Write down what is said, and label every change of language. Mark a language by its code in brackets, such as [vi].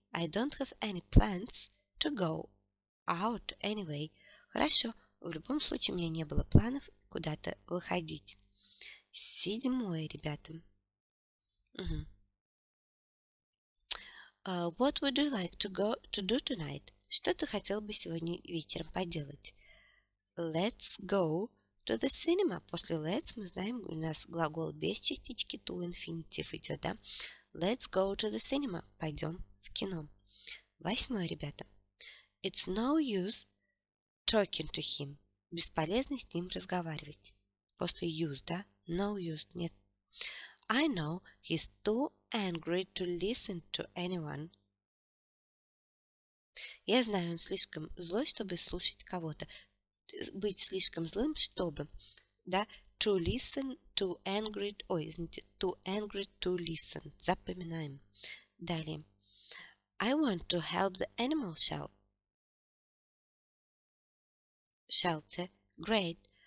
[en] I don't have any plans to go out anyway. [ru] Хорошо. В любом случае, у меня не было планов куда-то выходить. Седьмое, ребята. Угу. [en] What would you like to do tonight? [ru] Что ты хотел бы сегодня вечером поделать? [en] Let's go to the cinema. [ru] После let's мы знаем, у нас глагол без частички to, инфинитив идет, да? Let's go to the cinema. Пойдем в кино. Восьмое, ребята. [en] It's no use talking to him. [ru] Бесполезно с ним разговаривать. После use, да? No use, нет. [en] I know he's too angry to listen to anyone. [ru] Я знаю, он слишком злой, чтобы слушать кого-то. Быть слишком злым, чтобы, да? To listen, to angry, ой, извините, to angry, to listen. Запоминаем. Далее. [en] I want to help the animal shelter. Great.